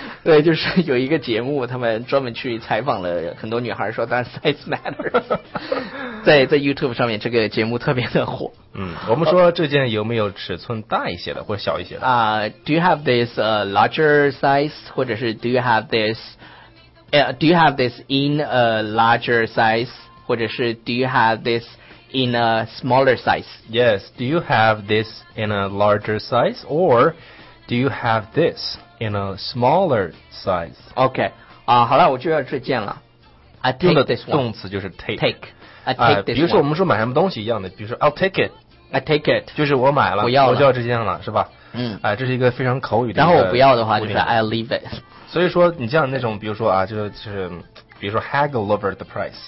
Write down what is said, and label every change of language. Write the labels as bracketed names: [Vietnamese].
[Chinese] 对，就是有一个节目，他们专门去采访了很多女孩，说 [English] does size matters？ [Chinese] 在 YouTube 上面，这个节目特别的火。嗯，我们说这件有没有尺寸大一些的或小一些的？ [English] Do you have this larger size？ [Chinese] 或者是 [English] Do you have this？ Do you have this in a larger size? [Chinese] 或者是 [English] Do you have this in a smaller size? Yes, do you have this in a larger size? Or do you have this in a smaller size? [Chinese] OK, 好了，我就要这件了。 [English] I take this one. [Chinese] 动词就是 take. [English] Take. I take this one. [Chinese] 比如说我们说买什么东西一样的，比如说 [English] I'll take it. I take it. [Chinese] 就是我买了，我就要这件了，是吧？嗯，这是一个非常口语的。然后我不要的话就是 [English] I leave it。 [Chinese] 所以说，你像那种，比如说啊，就是，比如说 [English] haggle over the price，